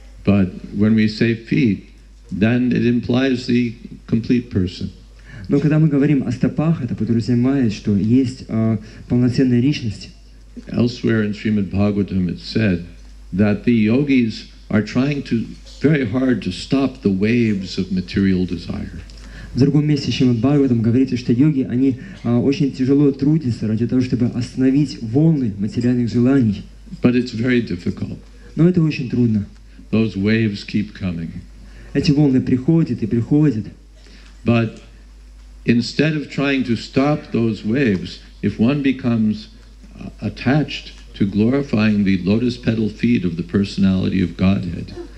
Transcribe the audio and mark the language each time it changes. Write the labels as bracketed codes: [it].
[en] But when we say feet, then it implies the complete person. [ru] Но когда мы говорим о стопах, это подразумевает, что есть полноценная личность. [en] Elsewhere in Srimad Bhagavatam it said that the yogis are trying to very hard to stop the waves of material desire. [ru] В другом месте Шримад Бхагаватам говорится, что йоги они очень тяжело трудятся ради того, чтобы остановить волны материальных желаний. [en] But it's very difficult. [ru] Но это очень трудно. [en] Those waves keep coming. [ru] Эти волны приходят и приходят. [en] But instead of trying to stop those waves, if one becomes attached to glorifying the lotus petal feet of the personality of Godhead.